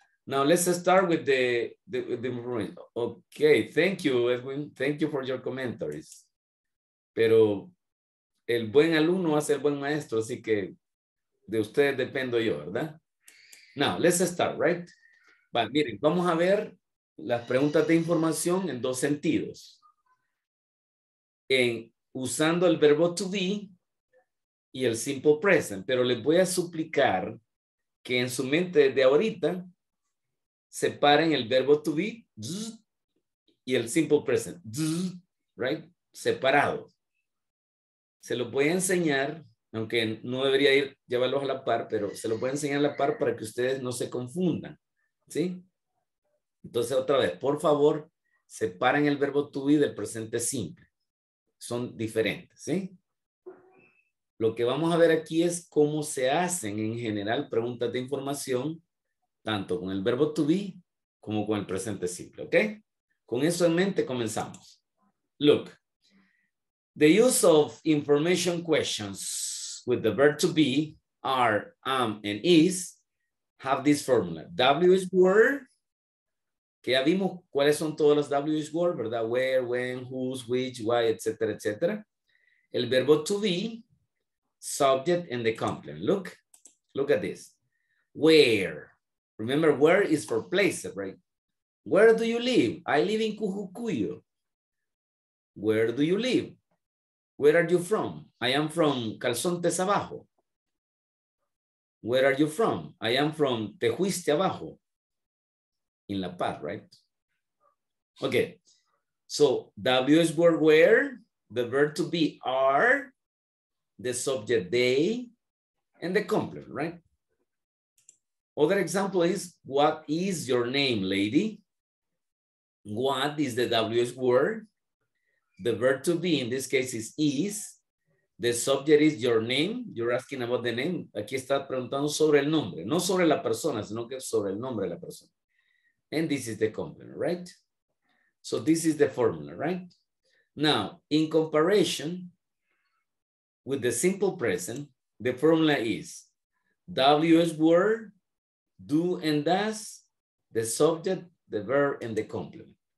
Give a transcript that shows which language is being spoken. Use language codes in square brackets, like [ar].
[en] Now let's start with the okay, thank you, Edwin. Thank you for your commentaries. [es] Pero el buen alumno hace el buen maestro, así que de ustedes dependo yo, ¿verdad? [en] Now, let's start, right? But, [es] miren, vamos a ver las preguntas de información en dos sentidos. Usando el verbo to be y el simple present. Pero les voy a suplicar que en su mente desde ahorita separen el verbo to be y el simple present, right? Separado. Se los voy a enseñar, aunque no debería ir llevarlos a la par, pero se los voy a enseñar a la par para que ustedes no se confundan, ¿sí? Entonces, otra vez, por favor, separen el verbo to be del presente simple. Son diferentes, ¿sí? Lo que vamos a ver aquí es cómo se hacen en general preguntas de información tanto con el verbo to be como con el presente simple, ¿ok? Con eso en mente comenzamos. [en] Look, the use of information questions with the verb to be, are, am, and is, have this formula. WH word, que ya vimos cuáles son todos los WH word, ¿verdad? Where, when, whose, which, why, etcétera, etcétera. El verbo to be, subject, and the complement. Look at this. Where. Remember, where is for place, right? Where do you live? I live in Cujucuyo. Where do you live? Where are you from? I am from Calzontes Abajo. Where are you from? I am from Tejuiste Abajo. In La Paz, right? Okay. So, W is word where, the verb to be are, the subject they, and the complement, right? Other example is, what is your name, lady? What is the WS word? The verb to be in this case is. The subject is your name. You're asking about the name. [es] Aquí está preguntando sobre el nombre. No sobre la persona, sino que sobre el nombre de la persona. [en] And this is the complement, right? So this is the formula, right? Now, in comparison with the simple present, the formula is WS word, do and does, the subject, the verb, and the complement.